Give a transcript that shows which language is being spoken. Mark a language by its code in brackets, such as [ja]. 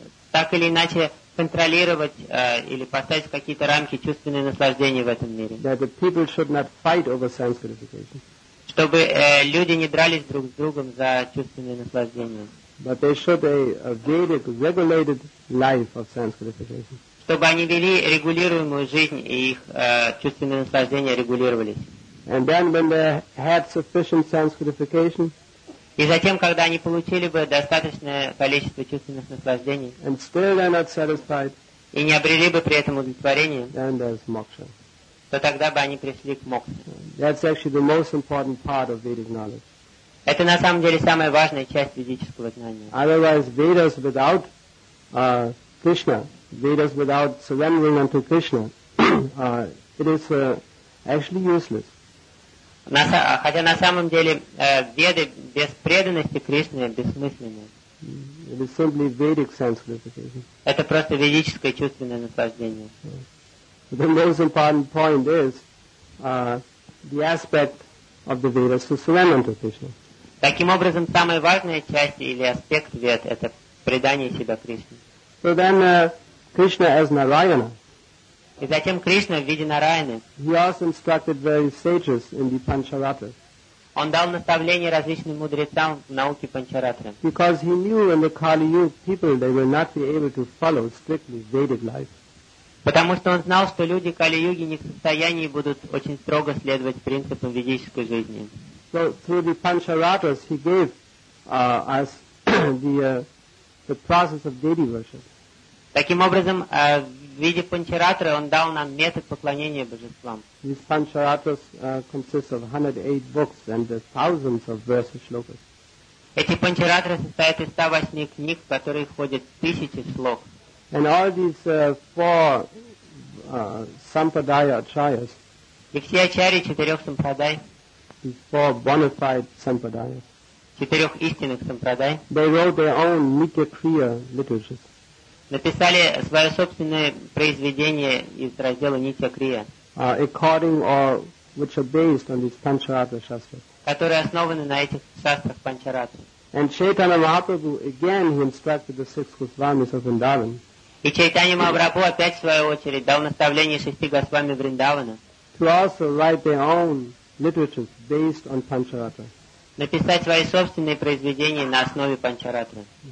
[ru] так или иначе контролировать или поставить какие-то рамки чувственные наслаждения в этом мире. [en] That the people should not fight over sense gratification. [ru] Чтобы люди не дрались друг с другом за чувственные наслаждения. [en] But they should a Vedic regulated life of sense gratification. [ru] Чтобы они вели регулируемую жизнь и их чувственные наслаждения регулировались. [en] And then when they had sufficient sense gratification. [ru] И затем, когда они получили бы достаточное количество чувственных наслаждений [en] and still they're not satisfied, [ru] и не обрели бы при этом удовлетворение, [en] then there's moksha. [ru] То тогда бы они пришли к мокше. [en] That's actually the most important part of Vedic knowledge. [ru] Это на самом деле самая важная часть ведического знания. [en] Otherwise, Vedas without Krishna, Vedas without surrendering unto Krishna, it is actually useless. [ru] Хотя на самом деле веды без преданности Кришне бессмысленны. [en] It is simply Vedic sense gratification. [ru] Это просто ведическое чувственное наслаждение. [en] The most important point is the aspect of the Vedas to surrender unto Krishna. [ru] Таким образом, самая важная часть или аспект вед – это предание себя Кришне. [en] So then Krishna as Narayana. [ru] И затем Кришна в виде Нараяны. [en] He also instructed various sages in the Pancharatra. [ru] Он дал наставление различным мудрецам в науке Панчаратры. [en] Because he knew in the Kali Yuga people they will not be able to follow strictly Vedic life. [ru] Потому что он знал, что люди Кали Юги не в состоянии будут очень строго следовать принципам ведической жизни. [en] So through the Pancharatras he gave us the process of deity worship. [ru] Таким образом, в виде панчаратры он дал нам метод поклонения божествам. [en] These pancharatras consist of 108 books and thousands of verses shlokas. [ru] Эти панчаратры состоят из 108 книг, в которые входят тысячи шлок. [en] And all these four sampradaya acharyas. [ru] И все ачарьи четырех сампрадай. [en] These four bona fide sampradayas. [ru] Четырех истинных сампрадай. [en] They wrote their own Nitya Kriya liturgies. [ru] Написали свое собственное произведение из раздела Нитья Крия, [en] according or which are based on these Pancharatra shastras. [ru] Которые основаны на этих шастрах Панчаратры. [en] And Chaitanya Mahaprabhu again he instructed the six Госвамис of Vrindavan. [ru] И Чайтанья Махапрабху опять в свою очередь дал наставление шести Госвами Вриндавана. [en] To also write their own literatures based on Pancharatra. [ru] Написать свои собственные произведения на основе Панчаратры.